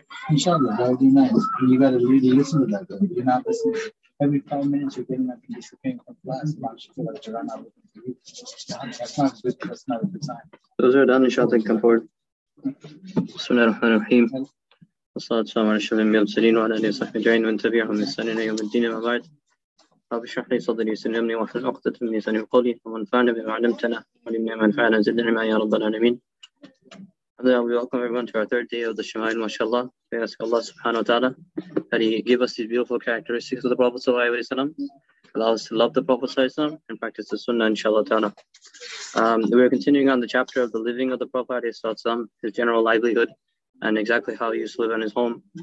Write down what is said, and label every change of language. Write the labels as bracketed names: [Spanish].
[English] Inshallah, that would be nice. And you gotta really listen to that though. You're not listening. Every 5 minutes you're getting up and disappearing from class, you feel like you're running out of the week. That's not good, that's not a good time. Those are done, inshallah, and come forward. [Arabic] بسم الله الرحمن الرحيم والصلاة والسلام على أشرف الأنبياء والمرسلين وعلى آله وصحبه أجمعين ومن تبعهم بإحسان إلى يوم الدين أما بعد رب اشرح لي صدري ويسر أمري واحلل عقدة من لساني قولي وانفعنا بما علمتنا وعلمنا ما ينفعنا وزدنا علما يا رب العالمين. [English] And then we welcome everyone to our third day of the Shema'il, mashallah. We ask Allah subhanahu wa ta'ala that He give us these beautiful characteristics of the Prophet sallallahu alayhi wa sallam, allow us to love the Prophet sallallahu alayhi wa sallam, and practice the Sunnah, inshallah ta'ala. We are continuing on the chapter of the living of the Prophet sallallahu alayhi wa sallam, his general livelihood, and exactly how he used to live in his home.